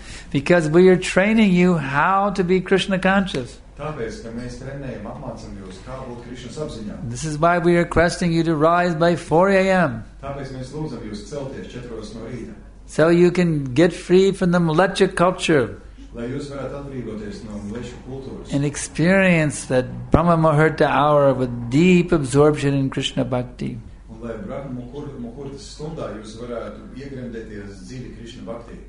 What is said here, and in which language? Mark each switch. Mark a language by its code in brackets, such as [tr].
[en] Because we are training you how to be Krishna conscious. [lv] Tāpēc, ka mēs trenējam, apmācam jūs, kā būt Krišnas apziņā. [en] This is why we are requesting you to rise by 4 a.m. [lv] Tāpēc mēs lūdzam jūs celties 4 no rīta. [en] So you can get free from the mlecha culture. [lv] Lai jūs varat atbrīvoties no mlecha kultūras. [en] And experience that Brahma Muhurta hour with deep absorption in Krishna bhakti. [lv] Un lai Brahma Muhurta stundā jūs varētu iegremdēties dzīvi Krishna bhakti.